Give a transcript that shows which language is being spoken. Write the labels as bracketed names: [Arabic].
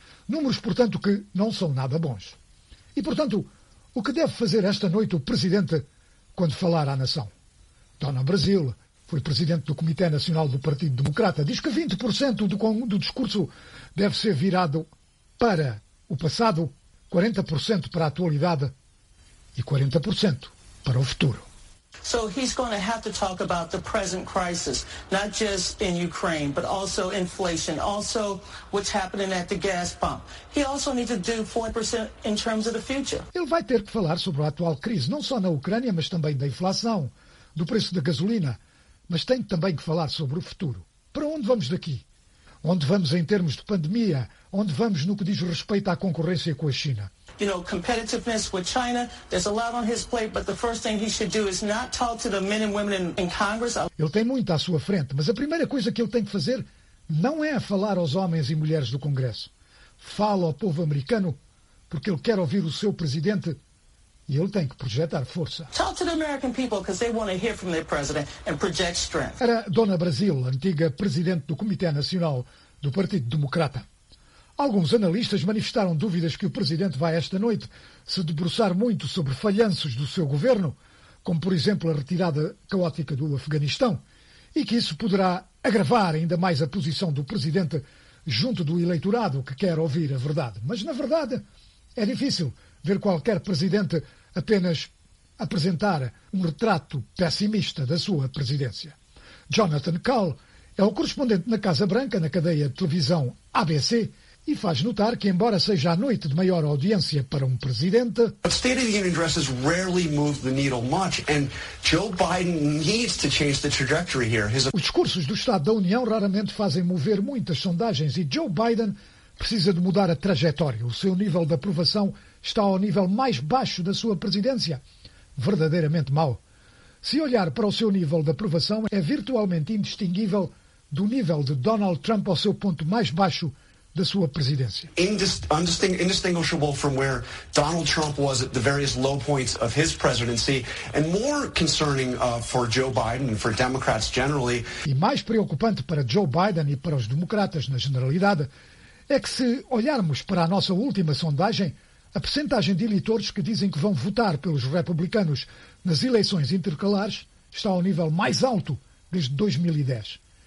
[Portuguese] Números, portanto, que não são nada bons. E, portanto, o que deve fazer esta noite o presidente quando falar à nação? Dona Brasil foi presidente do Comitê Nacional do Partido Democrata. Diz que 20% do discurso deve ser virado para o passado, 40% para a atualidade e 40% para o futuro. [English] So he's going to have to talk about the present crisis, not just in Ukraine, but also inflation, also what's happening at the gas pump. He also needs to do 40% in terms of the future. [Portuguese] Ele vai ter que falar sobre a atual crise, não só na Ucrânia, mas também da inflação, do preço da gasolina, mas tem também que falar sobre o futuro. Para onde vamos daqui? Onde vamos em termos de pandemia? Onde vamos no que diz respeito à concorrência com a China? [English] You know, competitiveness with China, there's a lot on his plate, but the first thing he should do is not talk to the men and women in Congress. [Portuguese] Ele tem muito à sua frente, mas a primeira coisa que ele tem que fazer não é falar aos homens e mulheres do Congresso. Fala ao povo americano, porque ele quer ouvir o seu presidente e ele tem que projetar força. [English] Talk to the American people, because they want to hear from their president and project strength. [Portuguese] Era Dona Brasil, antiga presidente do Comitê Nacional do Partido Democrata. Alguns analistas manifestaram dúvidas que o presidente vai esta noite se debruçar muito sobre falhanços do seu governo, como por exemplo a retirada caótica do Afeganistão, e que isso poderá agravar ainda mais a posição do presidente junto do eleitorado que quer ouvir a verdade. Mas, na verdade, é difícil ver qualquer presidente apenas apresentar um retrato pessimista da sua presidência. Jonathan Cowell é o correspondente na Casa Branca, na cadeia de televisão ABC, e faz notar que, embora seja a noite de maior audiência para um presidente, [English] but State of the Union addresses rarely move the needle much, and Joe Biden needs to change the trajectory here. [Portuguese] Os discursos do Estado da União raramente fazem mover muitas sondagens, e Joe Biden precisa de mudar a trajetória. O seu nível de aprovação está ao nível mais baixo da sua presidência. Verdadeiramente mau. Se olhar para o seu nível de aprovação, é virtualmente indistinguível do nível de Donald Trump ao seu ponto mais baixo da sua presidência. [English] Indistinguishable from where Donald Trump was at the various low points of his presidency, and more concerning for Joe Biden and for Democrats generally. [Portuguese] E mais preocupante para Joe Biden e para os democratas na generalidade é que, se olharmos para a nossa última sondagem, A percentagem de eleitores que dizem que vão votar pelos republicanos nas eleições intercalares está ao nível mais alto desde 2010.